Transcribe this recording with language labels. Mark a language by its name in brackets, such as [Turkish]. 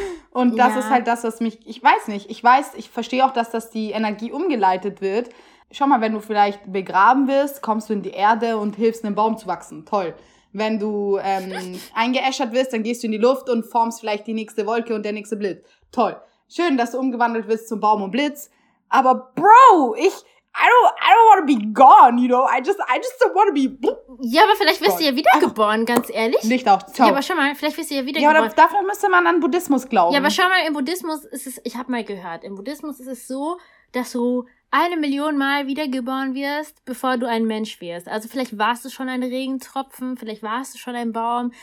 [German] Und das ist halt das, was mich... Ich weiß nicht. Ich verstehe auch, dass das die Energie umgeleitet wird. Schau mal, wenn du vielleicht begraben wirst, kommst du in die Erde und hilfst einem Baum zu wachsen. Toll. Wenn du eingeäschert wirst, dann gehst du in die Luft und formst vielleicht die nächste Wolke und der nächste Blitz. Toll. Schön, dass du umgewandelt wirst zum Baum und Blitz. [English] Aber Bro, I don't want to be gone, you know? I just don't want to be... [German] Ja, aber vielleicht wirst du ja wiedergeboren, ganz ehrlich. Nicht auch, ciao. Ja, aber schau mal, vielleicht wirst du ja wiedergeboren. Ja, aber dafür müsste man an Buddhismus glauben. Ja, aber schau mal, im Buddhismus ist es... Ich habe mal gehört, im Buddhismus ist es so, dass du 1 Million Mal wiedergeboren wirst, bevor du ein Mensch wirst. Also vielleicht warst du schon ein Regentropfen, vielleicht warst du schon ein Baum.